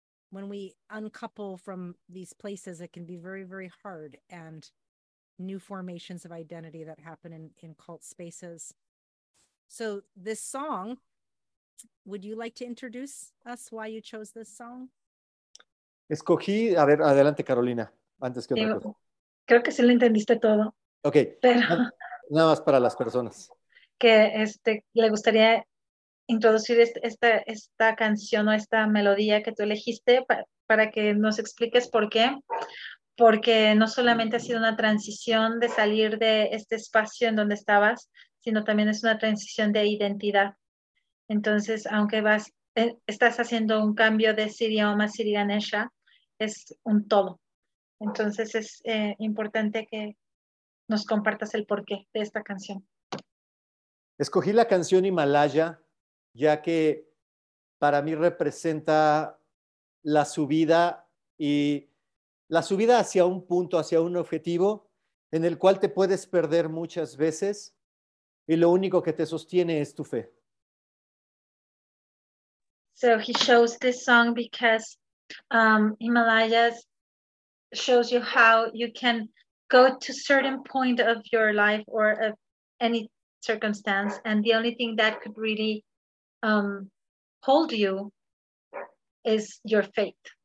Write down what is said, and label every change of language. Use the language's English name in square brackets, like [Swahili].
[English] When we uncouple from these places, it can be very, very hard, and new formations of identity that happen in cult spaces. So this song, would you like to introduce us why you chose this song? [Spanish] Escogí, a ver, adelante Carolina, antes que otra cosa. Creo que sí lo entendiste todo. Ok, pero nada más para las personas. Que le gustaría introducir esta canción o esta melodía que tú elegiste para que nos expliques por qué. Porque no solamente ha sido una transición de salir de este espacio en donde estabas, sino también es una transición de identidad. Entonces, aunque estás haciendo un cambio de Siddhi Om a Siddhi Ganesha, es un todo. Entonces, es importante que nos compartas el porqué de esta canción. Escogí la canción Himalaya, ya que para mí representa la subida y la subida hacia un punto, hacia un objetivo en el cual te puedes perder muchas veces y lo único que te sostiene es tu fe. [English] So he shows this song because Himalayas shows you how you can go to certain point of your life or of any circumstance, and the only thing that could really hold you is your faith.